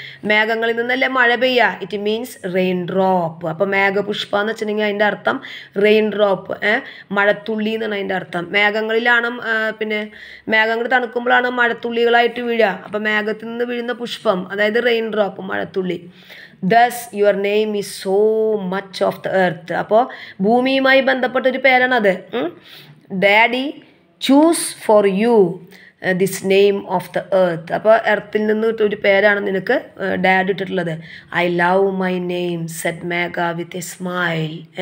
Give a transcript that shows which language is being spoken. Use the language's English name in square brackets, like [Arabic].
[Malayalam] മേഘങ്ങളിൽ നിന്നല്ലേ മഴ പെയ്യുക, [English] It means rain drop. [Malayalam] അപ്പോൾ മേഘപുഷ്പ എന്ന് വെച്ചിട്ടുണ്ടെങ്കിൽ അതിൻ്റെ അർത്ഥം റെയിൻ ഡ്രോപ്പ്, മഴത്തുള്ളി എന്നാണ് അതിൻ്റെ അർത്ഥം. മേഘങ്ങളിലാണ്, പിന്നെ മേഘങ്ങൾ തണുക്കുമ്പോഴാണ് മഴത്തുള്ളികളായിട്ട് വീഴുക. അപ്പം മേഘത്തിൽ നിന്ന് വീഴുന്ന പുഷ്പം, അതായത് rain drop, Mazhathulli. [English] Thus, your name is so much of the earth. [Malayalam] അപ്പോൾ ഭൂമിയുമായി ബന്ധപ്പെട്ടൊരു പേരാണത്. [English] Daddy choose for you, this name of the earth. [Malayalam] അപ്പോൾ എർത്തിൽ നിന്ന് ഒരു പേരാണ് നിനക്ക് ഡാഡ് ഇട്ടിട്ടുള്ളത്. [English] I love my name, said Megha with a smile.